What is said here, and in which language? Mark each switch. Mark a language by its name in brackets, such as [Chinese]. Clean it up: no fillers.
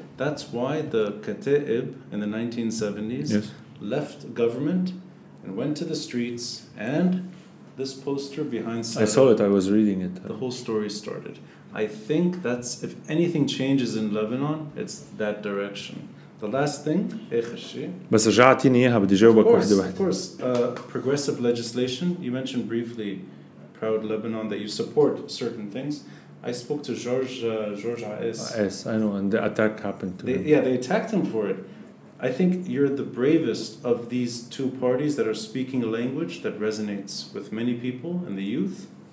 [English] That's why the Kata'ib in the 1970s left government and went to the streets, and this poster behind Sada, I saw it, I was reading it. The whole story started. I think that's, if anything changes in Lebanon, it's that direction. The last thing, [Arabic] بس رجعتيني إياها بدي جاوبك واحدة واحدة. [English] Of course, progressive legislation. You mentioned briefly, proud Lebanon, that you support certain things. I spoke to George Aes. Aes, I know, and the attack happened to him. Yeah, they attacked him for it. I think you're the bravest of these two parties that are speaking a language that resonates with many people and the youth.